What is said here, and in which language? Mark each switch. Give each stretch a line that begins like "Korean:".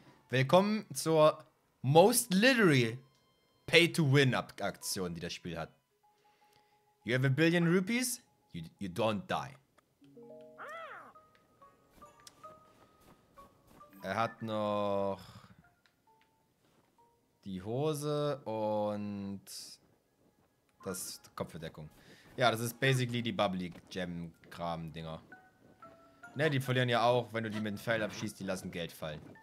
German: Willkommen zur
English: Most Literally Pay-to-Win-
German: Aktion, die das Spiel hat.
English: You have a billion rupees, you don't die.
German: Er hat noch die Hose und das Kopfbedeckung. Ja, das ist basically die Bubbly Gem-Kram-Dinger. Ne, die verlieren ja auch, wenn du die mit dem Pfeil abschießt, die lassen Geld fallen.